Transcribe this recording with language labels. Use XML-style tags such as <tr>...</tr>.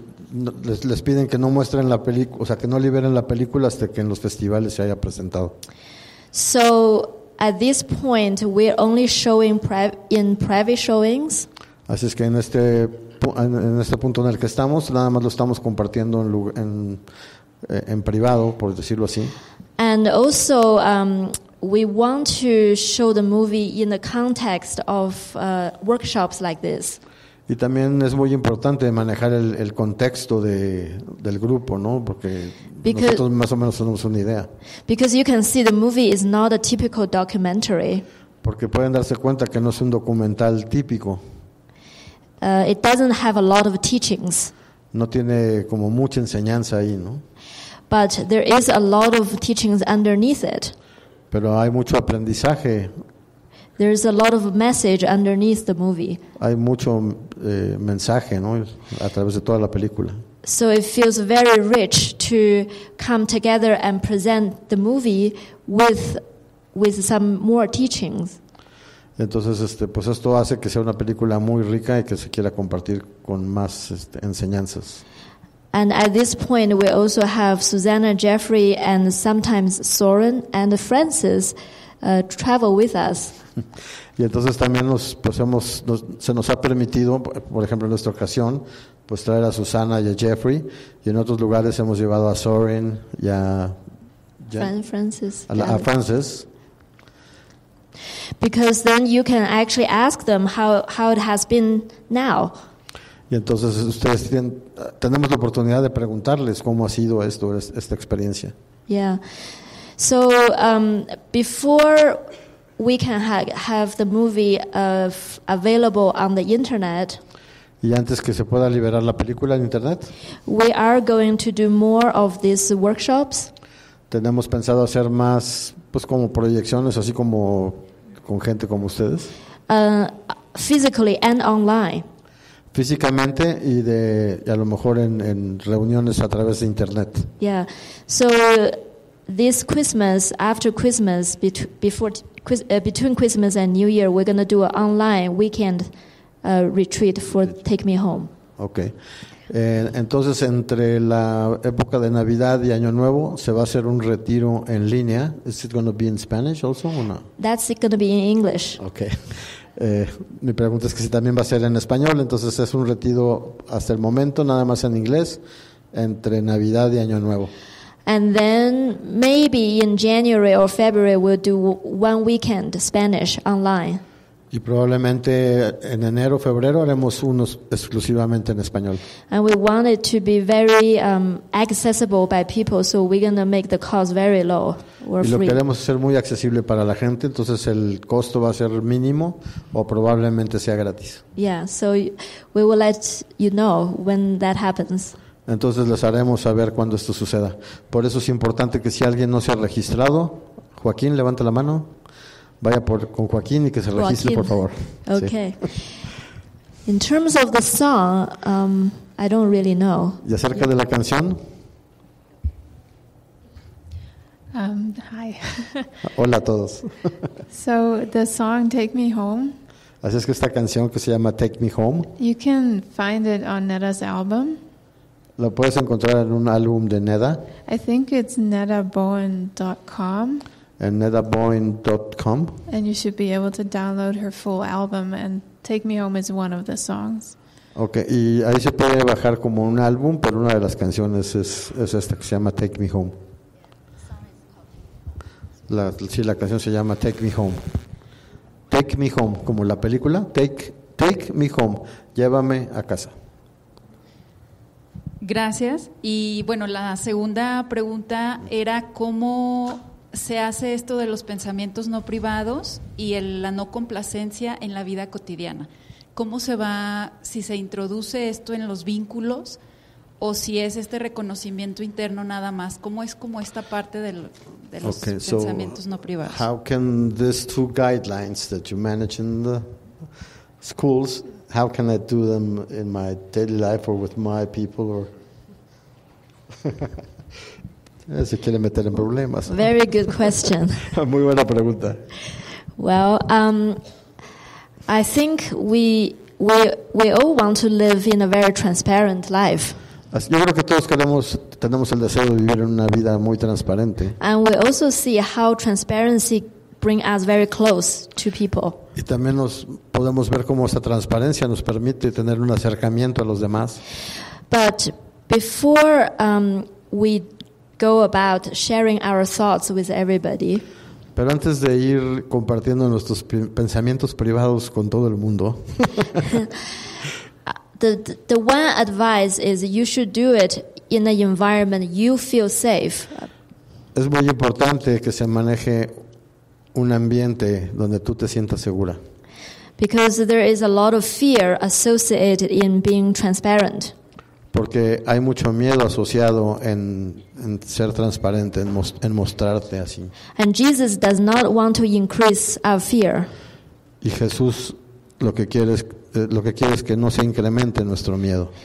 <es>Les piden que no muestren la película, o sea, que no liberen la película hasta que en los festivales se haya presentado.</es> <en>So, at this point, we're only showing in private showings.</en> <es>Así es que en este punto en el que estamos, nada más lo estamos compartiendo en privado, por decirlo así.</es> <en>And also, we want to show the movie in the context of workshops like this.</en> <es>Y también es muy importante manejar el contexto del grupo, ¿no? Porque</es> <en>because,</en> <es>nosotros más o menos tenemos una idea.</es> <en>Because you can see the movie is not a typical documentary.</en> <es>Porque pueden darse cuenta que no es un documental típico.</es> <en>It doesn't have a lot of teachings.</en> <es>No tiene como mucha enseñanza ahí, ¿no?</es> <en>But there is a lot of teachings underneath it.</en> <es>Pero hay mucho aprendizaje.</es> <en>There is a lot of message underneath the movie.</en> <es>Hay mucho mensaje, ¿no? A través de toda la película.</es> <en>So it feels very rich to come together and present the movie with some more teachings.</en> <es>Entonces, pues esto hace que sea una película muy rica y que se quiera compartir con más enseñanzas.</es> <en>And at this point, we also have Susanna, Jeffrey, and sometimes Soren and Francis travel with us.</en> <es>Y entonces también se nos ha permitido, por ejemplo, en nuestra ocasión, pues traer a Susanna y a Jeffrey, y en otros lugares hemos llevado a Soren y a Francis. A Francis.</es> <en>Because then you can actually ask them how it has been now.</en> <es>Y entonces ustedes tenemos la oportunidad de preguntarles cómo ha sido esta experiencia.</es> <en>Yeah. So before we can have the movie available on the internet.</en> <es>Y antes que se pueda liberar la película en internet.</es> <en>We are going to do more of these workshops.</en> <es>Tenemos pensado hacer más, pues como proyecciones, así como con gente como ustedes.</es> <en>Physically and online.</en> <es>Físicamente y a lo mejor en reuniones a través de internet.</es> <en>Yeah, so this Christmas, after Christmas, between Christmas and New Year, we're going to do an online weekend retreat for Take Me Home. Okay.</en> <es>Entonces, entre la época de Navidad y Año Nuevo, se va a hacer un retiro en línea.</es> <en>Is it going to be in Spanish also or not? That's going to be in English. Okay.</en> <es>Mi pregunta es que si también va a ser en español, entonces es un retiro hasta el momento nada más en inglés entre Navidad y Año Nuevo.</es> <en>And then maybe in January or February we'll do one weekend Spanish online.</en> <es>Y probablemente en enero o febrero haremos unos exclusivamente en español.</es> <en>And we want it to be very accessible by people, so we're going to make the cost very low or free.</en> <es>Y lo queremos hacer muy accesible para la gente, entonces el costo va a ser mínimo o probablemente sea gratis.</es> <en>Yeah, so we will let you know when that happens.</en> <es>Entonces les haremos saber cuando esto suceda. Por eso es importante que si alguien no se ha registrado, Joaquín, levanta la mano. Vaya con Joaquín y que se registre, Joaquín. Por favor.</es> <en>Okay. In terms of the song, I don't really know.</en> <es>¿Y acerca de la canción?</es> <en>Hi.</en> <es>Hola a todos.</es> <en>So the song Take Me Home.</en> <es>Así es que esta canción que se llama Take Me Home.</es> <en>You can find it on Neda's album.</en> <es>Lo puedes encontrar en un álbum de Neda.</es> <en>I think it's nedabowen.com.</en> <es>En nedabowen.com.</es> <en>And you should be able to download her full album, and Take Me Home is one of the songs.</en> <es>Okay, y ahí se puede bajar como un álbum, pero una de las canciones es esta que se llama Take Me Home. La canción se llama Take Me Home. Take Me Home, como la película. Take Me Home, llévame a casa. Gracias. Y bueno, la segunda pregunta era cómo se hace esto de los pensamientos no privados y la no complacencia en la vida cotidiana. ¿Cómo se va, si se introduce esto en los vínculos o si es este reconocimiento interno nada más? ¿Cómo es como esta parte de los pensamientos no privados?</es> <en>How can these two guidelines that you manage in the schools, how can I do them in my daily life or with my people? Or</en> <es>se quiere meter en problemas.</es> <en>Very good question.</en> <es>Muy buena pregunta.</es> <en>Well, I think we all want to live in a very transparent life.</en> <es>Yo creo que todos tenemos el deseo de vivir en una vida muy transparente.</es> <en>And we also see how transparency brings us very close to people.</en> <es>Y también nos podemos ver cómo esa transparencia nos permite tener un acercamiento a los demás.</es> <en>But before we go about sharing our thoughts with everybody.</en> <es>Pero antes de ir compartiendo nuestros pensamientos privados con todo el mundo.</es> <en>the one advice is you should do it in an environment you feel safe.</en> <es>Es muy importante que se maneje un ambiente donde tú te sientas segura.</es> <en>Because there is a lot of fear associated in being transparent.</en> <es>Porque hay mucho miedo asociado en ser transparente, en mostrarte así.</es> <en>And Jesus does not want to increase our fear.</en> <es>Y Jesús lo que quiere es que no se incremente nuestro miedo.</es>